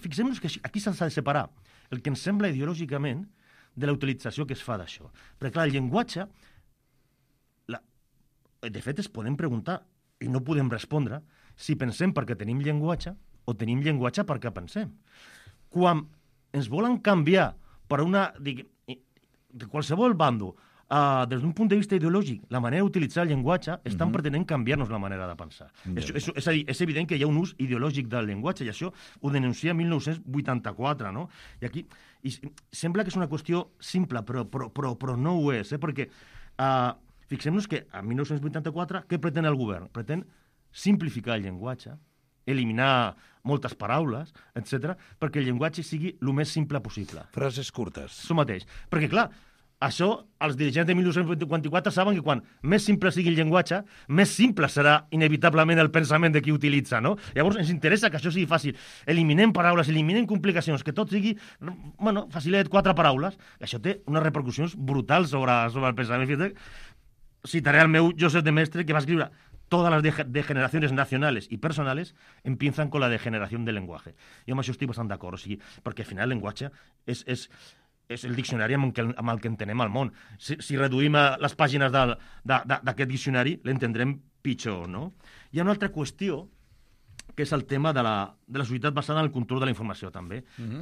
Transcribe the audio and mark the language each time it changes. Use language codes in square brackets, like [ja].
[ca] Fixem-nos que aquí s'ha de separar el que ens sembla ideològicament de la utilització que es fa d'això. Perquè, clar, el llenguatge... De fet, es podem preguntar, i no podem respondre, si pensem perquè tenim llenguatge o tenim llenguatge perquè pensem. Quan ens volen canviar per una... de qualsevol bando, des d'un punt de vista ideològic, la manera d'utilitzar el llenguatge, estan pretenent canviar-nos la manera de pensar. Yeah. És a dir, és evident que hi ha un ús ideològic del llenguatge, i això ho denuncia 1984, no? I aquí... I sembla que és una qüestió simple, però no ho és, perquè... Fixem-nos que en 1984, què pretén el govern? Pretén simplificar el llenguatge, eliminar moltes paraules, etc, perquè el llenguatge sigui el més simple possible. Frases curtes. Això mateix. Perquè, clar, això, els dirigents de 1984 saben que quan més simple sigui el llenguatge, més simple serà inevitablement el pensament de qui utilitza, no? Llavors, ens interessa que això sigui fàcil. Eliminem paraules, eliminem complicacions, que tot sigui, bueno, facilet, quatre paraules. Això té unes repercussions brutals sobre el pensament. Fins i tot... Citaré al meu Josep de Mestre, que va escriure [es] «Todas las degeneraciones nacionales y personales empiezan con la degeneración del lenguaje». [ca] Jo amb això estic bastant d'acord, o sigui, perquè al final el llenguatge és el diccionari amb el que entenem el món. Si reduïm les pàgines d'aquest diccionari, l'entendrem pitjor, no? Hi ha una altra qüestió, que és el tema de la societat basada en el control de la informació, també. Uh-huh.